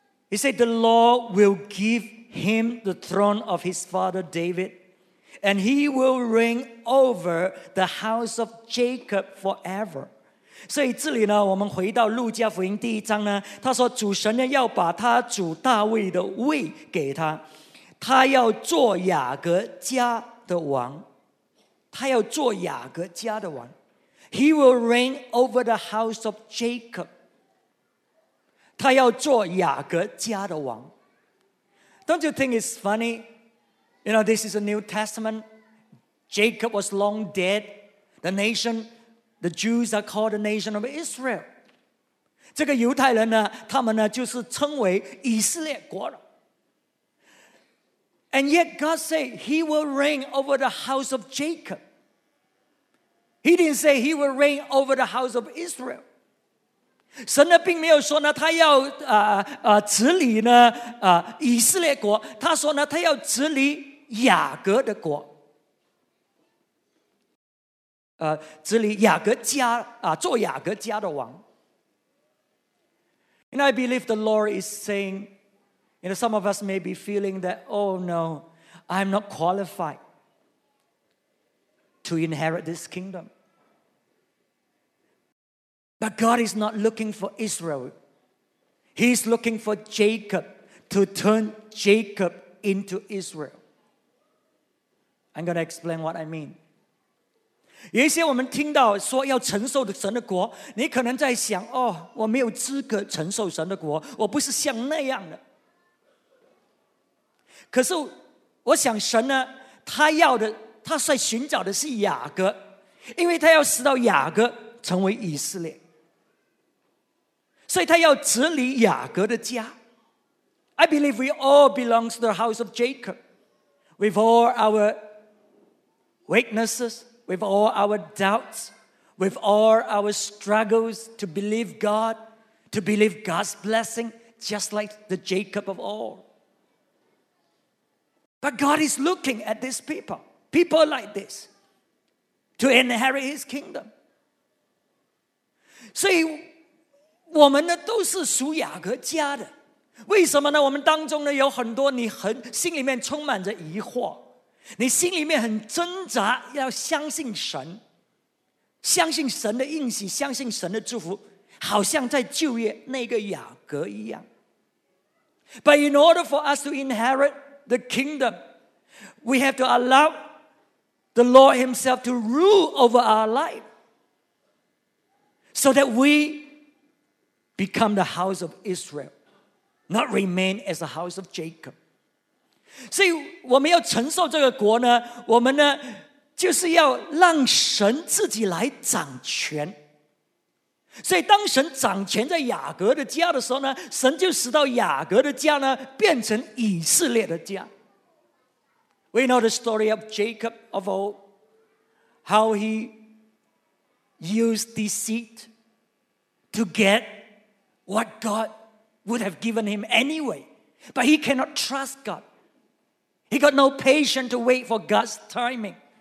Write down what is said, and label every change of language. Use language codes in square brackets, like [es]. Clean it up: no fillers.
[en] He said, "The Lord will give him the throne of his father David, And he will reign over the house of Jacob forever. [zh] 所以这里呢，我们回到路加福音第一章呢，他说主神呢要把他主大卫的位给他，他要做雅各家的王，他要做雅各家的王。 [en] He will reign over the house of Jacob. [zh] 他要做雅各家的王。 [en] Don't you think it's funny? You know, this is a New Testament. Jacob was long dead. The nation, the Jews are called the nation of Israel. [zh] 这个犹太人呢，他们呢就是称为以色列国了。 [en] And yet God said he will reign over the house of Jacob. He didn't say he will reign over the house of Israel. [zh] 神呢并没有说呢他要治理呢以色列国，他说呢他要治理雅各的国，治理雅各家做雅各家的王。 [en] And I believe the Lord is sayingYou know, some of us may be feeling that, oh no, I'm not qualified to inherit this kingdom. But God is not looking for Israel. He's looking for Jacob to turn Jacob into Israel. I'm going to explain what I mean. [zh] 有一些我们听到说要承受的神的国，你可能在想，哦，我没有资格承受神的国，我不是像那样的。可是我想神呢，他要的，他在寻找的是雅各，因为他要使到雅各成为以色列，所以他要治理雅各的家。 [en] I believe we all belong to the house of Jacob with all our weaknesses, with all our doubts, with all our struggles to believe God, to believe God's blessing, just like the Jacob of all. But God is looking at these people, people like this, to inherit his kingdom. [zh] 所以我们呢都是属雅各家的。为什么呢？我们当中呢有很多你很心里面充满着疑惑，你心里面很挣扎要相信神，相信神的应许，相信神的祝福，好像在旧约那个雅各一样。 [en] But in order for us to inherit the kingdom, we have to allow the Lord himself to rule over our life so that we become the house of Israel, not remain as the house of Jacob. [zh] 所以我们要承受这个国呢，我们呢就是要让神自己来掌权。所以当神掌权在雅各的家的时候呢，神就使到雅各的家呢变成以色列的家。 [en] We know the story of Jacob of old, how he used deceit to get what God would have given him anyway. But he cannot trust God. He got no patience to wait for God's timing.